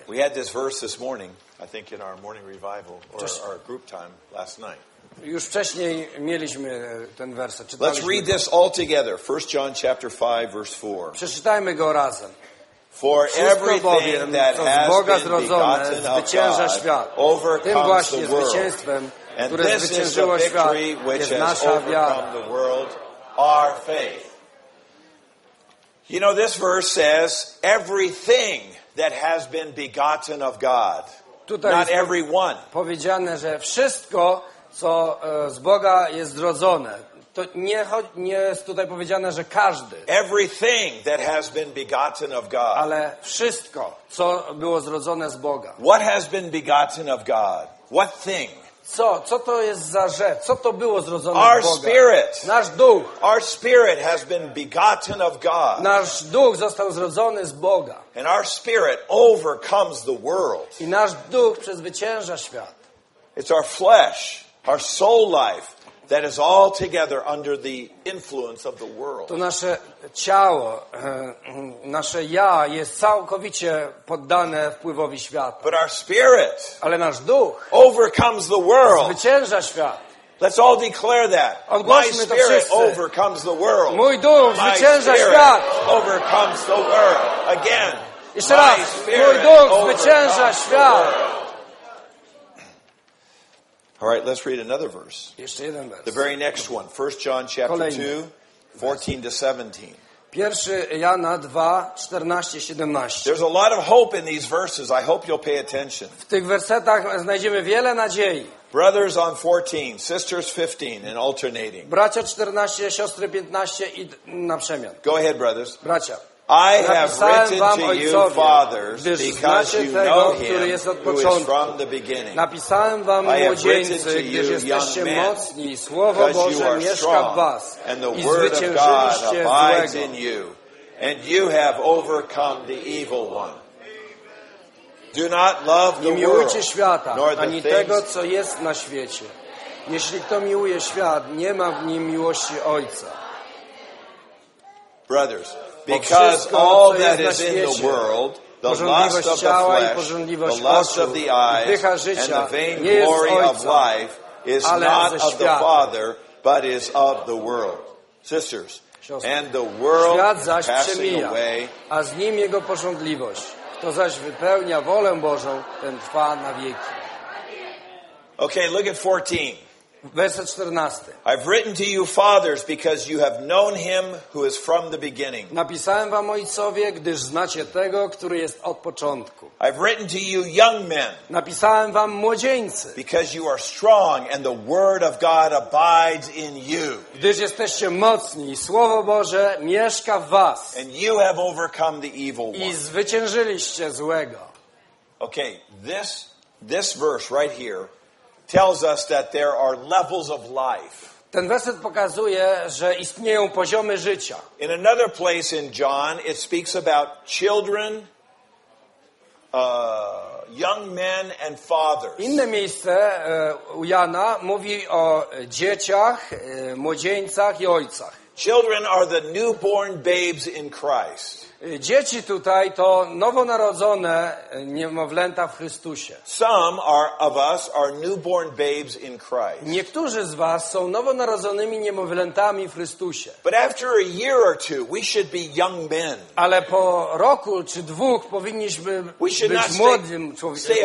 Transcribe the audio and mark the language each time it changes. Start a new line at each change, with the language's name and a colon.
English: We had this verse this morning. I think in our morning revival or our group time last night.
Polish: Już wcześniej mieliśmy ten werset.
English: Let's read this all together. 1 John chapter 5 verse 4.
Polish: Przeczytajmy go razem.
English: For everything that has been begotten of God overcomes the world. And this is the victory which has overcome the world, our faith. You know, this verse says everything that has been begotten of God.
Polish: Tutaj
English: not everyone.
Polish: Powiedziane, że wszystko, co z Boga jest zrodzone, to nie, nie jest tutaj powiedziane, że każdy.
English: Everything that has been begotten of God.
Polish: Ale wszystko, co było zrodzone z Boga.
English: What has been begotten of God? What thing?
Polish: Co? Co to jest za rzecz? Co to było zrodzone
English: Our
Polish: z Boga?
English: Spirit.
Polish: Nasz duch.
English: Our spirit has been begotten of God.
Polish: Nasz duch został zrodzony z Boga.
English: And our spirit overcomes the world.
Polish: I nasz duch przezwycięża świat.
English: It's our flesh, our soul life that is all together under the influence of the world.
Polish: To nasze ciało, nasze ja jest całkowicie poddane wpływowi świata.
English: But our spirit,
Polish: ale nasz duch,
English: overcomes the world.
Polish: Zwycięża świat.
English: Let's all declare that.
Polish: Odgłosimy
English: My spirit overcomes the world.
Polish: Mój duch zwycięża świat.
English: Overcomes the world. Again.
Polish: Jeszcze raz. Mój duch zwycięża świat.
English: All right, let's read another verse.
Polish: Jeszcze jeden wers.
English: The very next one, 1 John chapter 2, 14-17.
Polish: 1 Jana 2, 14-17.
English: There's a lot of hope in these verses. I hope you'll pay attention.
Polish: W tych wersetach znajdziemy wiele nadziei.
English: Brothers on 14, sisters 15, and alternating.
Polish: Bracia 14, siostry 15 i na przemian.
English: Go ahead, brothers.
Polish: Bracia.
English: I have written to you, fathers, because you know him who is from the beginning. I have written to you, young men, because you are strong, and the word of God abides in you, and you have overcome the evil one. Do not love the world, nor the things.
Polish: Jeśli kto miłuje świat, nie ma w nim miłości Ojca.
English: Brothers, because all that is in the world, the lust of the flesh, the lust of the eyes, and the vain glory of life, is not of the Father, but is of the world. Sisters, and the world is passing away,
Polish: a z nim jego pożądliwość. Kto zaś wypełnia wolę Bożą, ten trwa na wieki.
English: Okay, look at 14.
Polish: Werset 14.
English: I've written to you, fathers, because you have known him who is from the beginning.
Polish: Napisałem wam, ojcowie, gdyż znacie tego, który jest od początku.
English: I've written to you, young men.
Polish: Napisałem wam, młodzieńcy.
English: Because you are strong and the word of God abides in you.
Polish: Gdyż jesteście mocni i Słowo Boże mieszka w was.
English: And you have overcome the evil one.
Polish: I zwyciężyliście złego.
English: Okay, this verse right here tells us that there are levels of life.
Polish: Ten werset pokazuje, że istnieją poziomy życia.
English: In another place in John, it speaks about children, young men and fathers.
Polish: Inne miejsce u Jana mówi o dzieciach, młodzieńcach i ojcach.
English: Children are the newborn babes in Christ.
Polish: Dzieci tutaj to nowonarodzone niemowlęta w Chrystusie.
English: Some are of us are newborn babes in Christ.
Polish: Niektórzy z was są nowonarodzonymi niemowlętami w Chrystusie.
English: But after a year or two, we should be young men.
Polish: Ale po roku czy dwóch powinniśmy być młodym człowiekiem,